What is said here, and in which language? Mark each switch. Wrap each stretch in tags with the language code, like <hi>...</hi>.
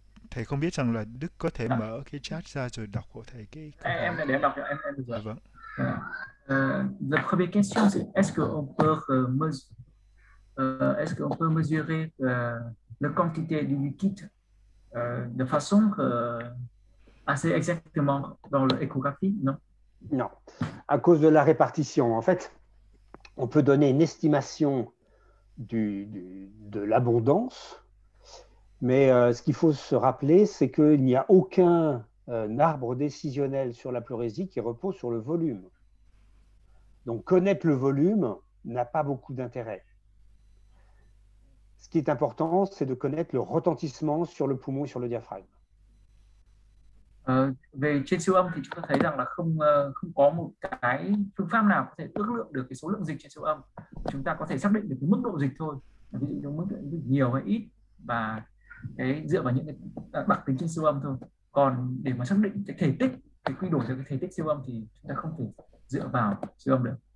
<vi>Thầy không biết rằng là Đức có thể mở cái chat ra rồi đọc của thầy cái câu Em hỏi. đã đến đọc cho em được Dạ vâng. rồi.</vi> <fr>La première question c'est est-ce qu'on peut mesurer la quantité de liquide de façon assez exactement dans l'échographie, non? Non, à cause de la répartition. En fait, on peut donner une estimation de l'abondance. Mais ce qu'il faut se rappeler, c'est qu'il n'y a aucun arbre décisionnel sur la pleurésie qui repose sur le volume. Donc connaître le volume n'a pas beaucoup d'intérêt. Ce qui est important, c'est de connaître le retentissement sur le poumon et sur le diaphragme.</fr> <vi>Về trên siêu âm thì chúng ta thấy rằng là không không có một cái phương pháp nào có thể ước lượng được cái số lượng dịch trên siêu âm. Chúng ta có thể xác định được cái mức độ dịch thôi, ví dụ như mức độ dịch nhiều hay ít, và cái dựa vào những cái đặc tính trên siêu âm thôi. Còn để mà xác định cái thể tích, cái quy đổi cho cái thể tích siêu âm thì chúng ta không thể dựa vào siêu âm được.</vi>